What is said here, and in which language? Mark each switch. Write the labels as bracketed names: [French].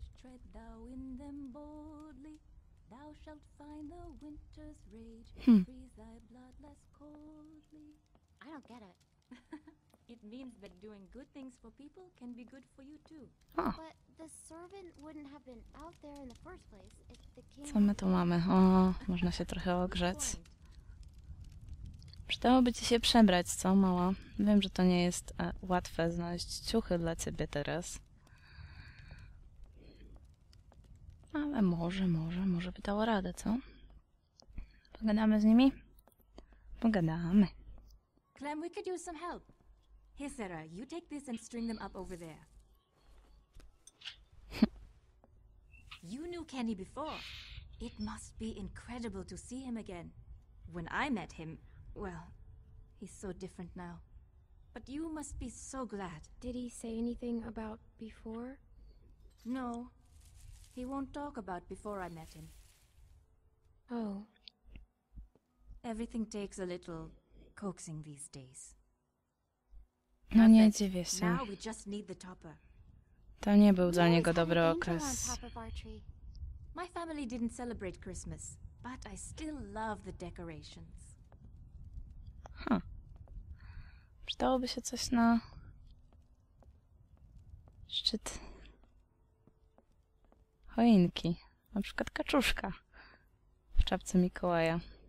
[English] Tread thou in them boldly. Thou shalt find the winter's rage. Freeze thy blood less coldly. I don't get it. It means that doing good things for people can be good for you too. Oh. But the servant wouldn't have been out there in the first place if the king... [Polish] Co my tu mamy? O, można się trochę ogrzać. Przydałoby ci się przebrać, co mała? Wiem, że to nie jest łatwe znaleźć ciuchy dla ciebie teraz. Ale może by dało radę, co? Pogadamy z nimi? Pogadamy. [English] Clem, we could use some help. Here, Sarah, you take this and string them up over there. You knew Kenny before. It must be incredible to see him again. When I met him, well, he's so different now. But you must be so glad. Did he say anything about before? No. He won't talk about before I met him. Oh. Everything takes a little coaxing these days. [Polish] No nie dziwię się. [English] Now we just need the topper. [Polish] To nie był dla niego dobry okres. [English] My family didn't celebrate Christmas, but I still love the decorations. Huh. [Polish] Przydałoby się coś na szczyt. Choinki. Na przykład kaczuszka w czapce Mikołaja.